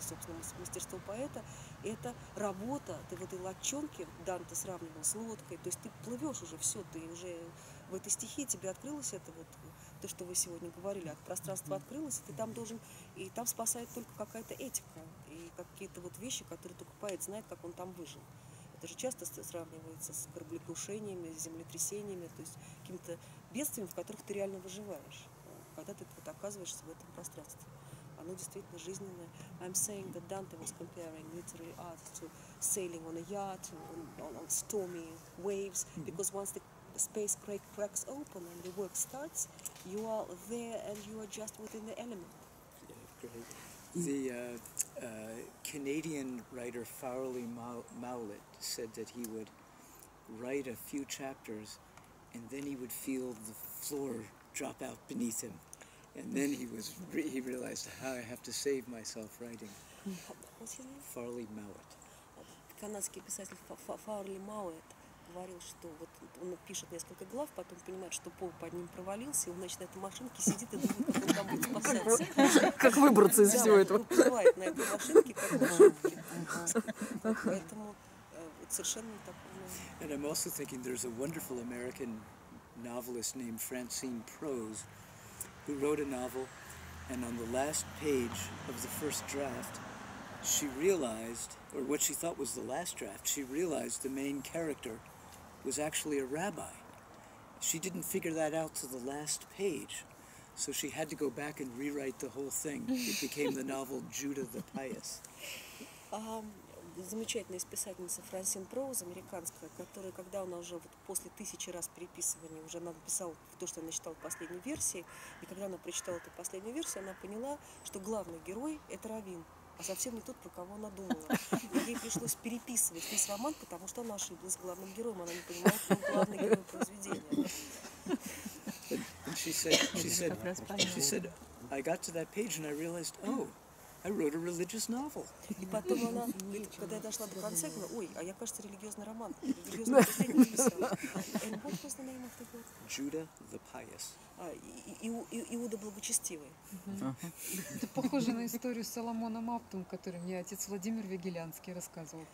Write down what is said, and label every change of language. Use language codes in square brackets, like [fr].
[ru] И, собственно, мастерство поэта – это работа. Ты в этой лодчонке, Данте сравнивал с лодкой, то есть ты плывешь уже, все, ты уже в этой стихии, тебе открылось это вот, то, что вы сегодня говорили, от пространства открылось, и ты там должен, и там спасает только какая-то этика, и какие-то вот вещи, которые только поэт знает, как он там выжил. Это же часто сравнивается с кораблекрушениями, с землетрясениями, то есть какими-то бедствиями, в которых ты реально выживаешь. Когда ты вот оказываешься в этом пространстве, оно действительно жизненное. [en] I'm saying that Dante was comparing literary art to sailing on a yacht on stormy waves, because once the space cracks open and the work starts, you are there and you are just within the element. The Canadian writer Fowley Mowlett said that he would write a few chapters and then he would feel the floor drop out beneath him. And then he realized how I have to save myself writing. [ru] Фарли Мауэт. Канадский писатель Фарли Мауэт говорил, что вот он пишет несколько глав, потом понимает, что пол под ним провалился, и он на этой машинке сидит и думает, как он там будет спасаться. Как выбраться из всего этого? Да, он выплывает на этой машинке, как на шубке. Поэтому вот совершенно такое. [en] And I'm also thinking there's a wonderful American novelist named Francine Prose, who wrote a novel, and on the last page of the first draft, she realized, or what she thought was the last draft, she realized the main character was actually a rabbi. She didn't figure that out to the last page, so she had to go back and rewrite the whole thing. It became the novel Judah the Pious. [ru] Замечательная писательница Франсин Проуз, американская, которая, когда она уже вот после тысячи раз переписывания, уже она написала то, что она читала в последней версии, и когда она прочитала эту последнюю версию, она поняла, что главный герой – это раввин, а совсем не тот, про кого она думала. И ей пришлось переписывать весь роман, потому что она ошиблась с главным героем, она не понимала, кто главный герой произведения. [en] She said, I got to that page, and I realized, oh, I wrote a religious novel. [ru] И потом она, когда я дошла до конца, я говорю, ой, а я, кажется, религиозный роман. Религиозный роман. [en] And what was the name of the book? Judah the Pious. [ru] Иуда Благочестивый. Это похоже на историю с Соломоном Аптом, которую мне отец Владимир Вегелянский рассказывал.